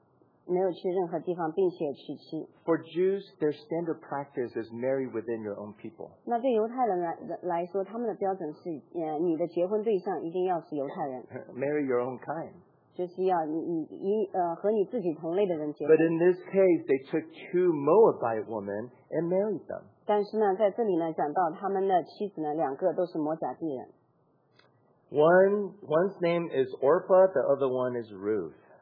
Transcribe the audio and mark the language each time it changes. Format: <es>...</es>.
<zh>那第四节也告诉我们,他们两个儿子呢,就留在了摩甲地,没有去任何地方,并且娶妻。</zh> <en>For Jews, their standard practice is marry within your own people.</en> <zh>那对犹太人来说,他们的标准是,你的结婚对象一定要是犹太人。</zh> <en>Marry your own kind.</en> <zh>就是要和你自己同类的人结婚。</zh> <en>But in this case, they took two Moabite women and married them.</en> <zh>但是呢,在这里呢,讲到他们的妻子呢,两个都是摩甲地人。</zh> <en>One's name is Orpah, the other one is Ruth.</en>